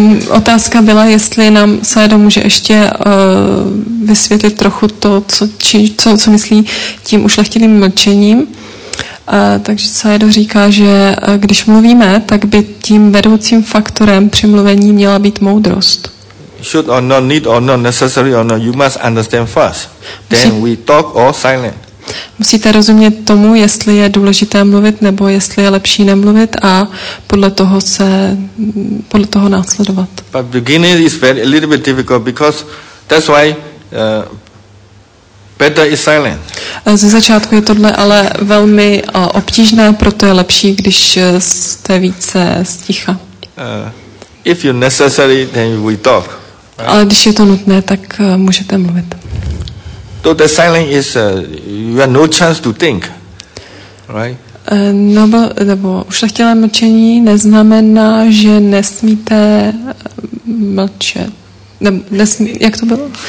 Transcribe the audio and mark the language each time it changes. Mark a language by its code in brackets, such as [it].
[cs] Otázka byla, jestli nám Sajdo může ještě vysvětlit trochu to, co myslí tím ušlechtilým mlčením. Takže Sajdo říká, že když mluvíme, tak by tím vedoucím faktorem při mluvení měla být moudrost. [en] Should or not need or not necessary or not, you must understand first. Then we talk or silent. [cs] Musíte rozumět tomu, jestli je důležité mluvit nebo jestli je lepší nemluvit a podle toho následovat. [en] But beginning is very a little bit difficult because that's why better is silent. [cs] Ze začátku je tohle ale velmi obtížné, proto je lepší, když jste více sticha. [en] If you're necessary, then we talk. [cs] Ale když je to nutné, tak můžete mluvit. [en] So the silence is you have no chance to think, right? [cs] Nebo ušlechtilé mlčení neznamená, že nesmíte mlčet. Jak to bylo?